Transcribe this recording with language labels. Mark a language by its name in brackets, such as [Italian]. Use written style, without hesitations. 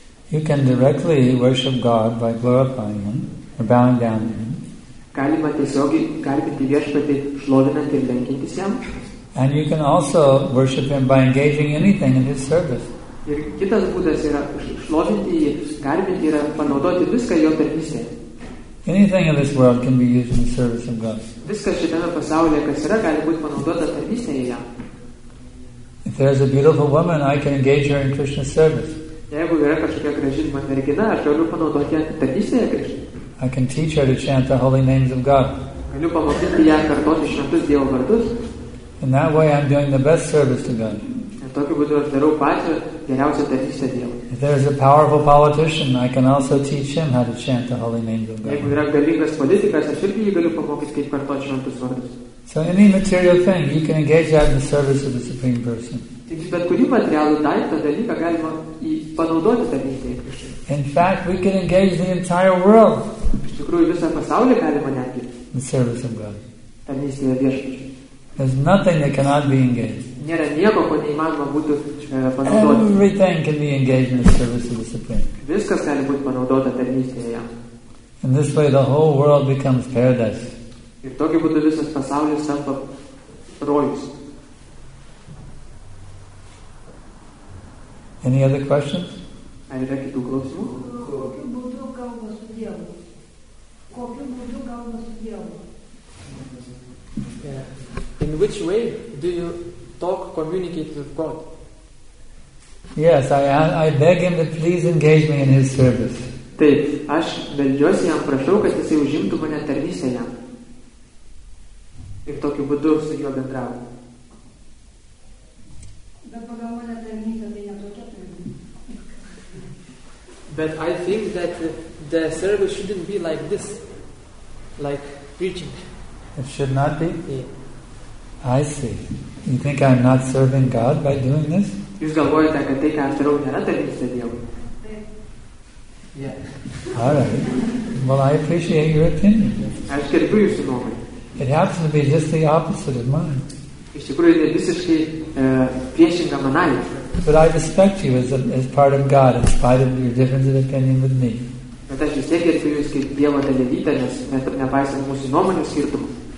[English] You can directly worship God by glorifying Him or bowing down to Him. [Lithuanian] Galima tiesiogiai garbinti viešpatį, šlovinant ir lenkintis jam. [English] And you can also worship Him by engaging anything in His service. [Lithuanian] Ir kitas būdas yra šlovinti jį, garbinti yra panaudoti viską jo tarnystėje. [English] Anything in this world can be used in the service of God. [Lithuanian] Viskas šitame pasaulyje, kas yra, gali būti panaudota tarnystėje jam. [English] If there is a beautiful woman, I can engage her in Krishna's service. [Lithuanian] Jeigu yra kažkokia graži mergina, aš galiu panaudoti ją tarnystėje Krishna. [English] I can teach her to chant the holy names of God. [Lithuanian] Galiu pamokyti ją kartoti šventus Dievo vardus. [English] In that way, I'm doing the best service to God. If there is a powerful politician, I can also teach him how to chant the holy names of God. So any material thing, you can engage that in the service of the Supreme Person. In fact, we can engage the entire world in the service of God. There's nothing that cannot be engaged. [Lithuanian] Nėra nieko, ko neįmanoma būti panaudoti. [English] Everything can be engaged in the service of the Supreme. [Lithuanian] Viskas gali būti panaudota tarnystėje. [English] In this way, the whole world becomes paradise. [Lithuanian] Ir tokiu būdu visas pasaulis tampa rojus. [English] Any other questions? [Lithuanian] Ar yra kitų klausimų? [English] In which way do you talk, communicate with God? Yes, I beg him to please engage me in his service. [Lithuanian] Taip, aš beldžiuosi jam, prašau, kad jisai užimtų mane tarnystėje jam. Ir tokiu būdu su juo bendrauju. Bet pagal mane tarnystė, tai ne tokia tarnystė. [English] But I think that the service shouldn't be like this, like preaching. It should not be? Yeah. I see. You think I'm not serving God by doing this? [Lithuanian] Jūs galvojate, kad tai, ką aš darau, nėra tarnystė Dievui? [English] Yeah. All right. Well, I appreciate your opinion. [Lithuanian] Aš gerbiu jūsų nuomonę. [English] It happens to be just the opposite of mine. [Lithuanian] Iš tikrųjų, tai visiškai priešinga manai. [English] But I respect you as part of God, in spite of your difference of opinion with me. [Lithuanian] Bet aš vis tiek gerbiu jūs kaip Dievo dalelytę, nes mes ir nepaisant mūsų nuomonių skirtumų.